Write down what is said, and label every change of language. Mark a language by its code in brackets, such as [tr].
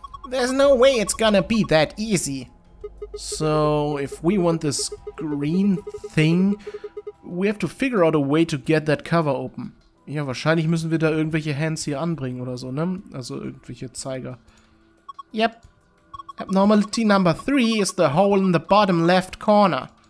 [en] There's no way it's gonna be that easy. So, if we want this green thing, we have to figure out a way to get that cover open. [de] Ja, wahrscheinlich müssen wir da irgendwelche Hands hier anbringen oder so, ne? Also irgendwelche Zeiger. [en] Yep. Abnormality number 3 is the hole in the bottom left corner.